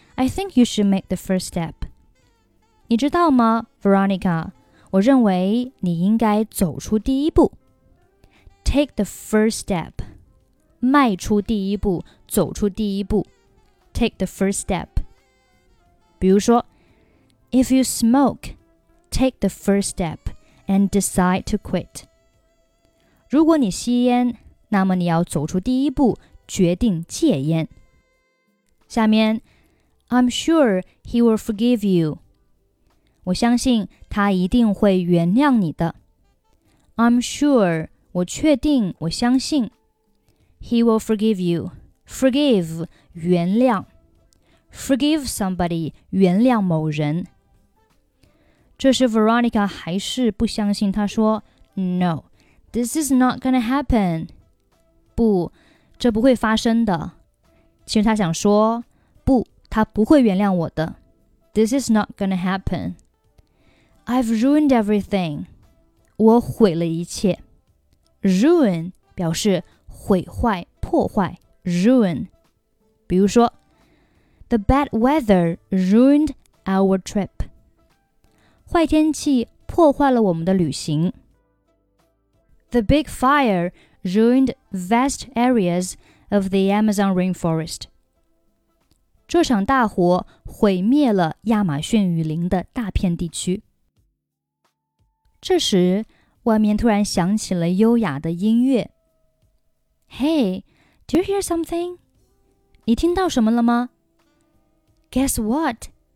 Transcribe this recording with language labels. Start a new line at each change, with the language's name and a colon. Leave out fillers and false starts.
English: I think you should make the first step
Chinese: 你知道吗 Veronica? 我认为你应该走出第一步。
English: Take the first step.
Chinese: 迈出第一步，走出第一步。
English: Take the first step.
Chinese: 比如说
English: If you smoke, take the first step and decide to quit.
Chinese: 如果你吸烟，那么你要走出第一步，决定戒烟。下面
English: I'm sure he will forgive you.
Chinese: 我相信他一定会原谅你的。
English: I'm sure,
Chinese: 我确定，我相信。
English: He will forgive you.
Chinese: Forgive, 原谅。
English: Forgive somebody,
Chinese: 原谅某人。这时 Veronica 还是不相信，她说
English: No, this is not gonna happen.
Chinese: 不，这不会发生的。其实她想说，不，他不会原谅我的。
English: This is not gonna happen. I've ruined everything.
Chinese: 我毁了一切。Ruin 表示毁坏、破坏。Ruin. 比如说
English: The bad weather ruined our trip.
Chinese: 坏天气破坏了我们的旅行。
English: The big fire ruined vast areas of the Amazon rainforest.
Chinese: 这场大火毁灭了亚马逊雨林的大片地区。这时，外面突然响起了优雅的音乐。
English: Hey, do you hear something?
Chinese: 你听到什么了吗？
English: Guess what?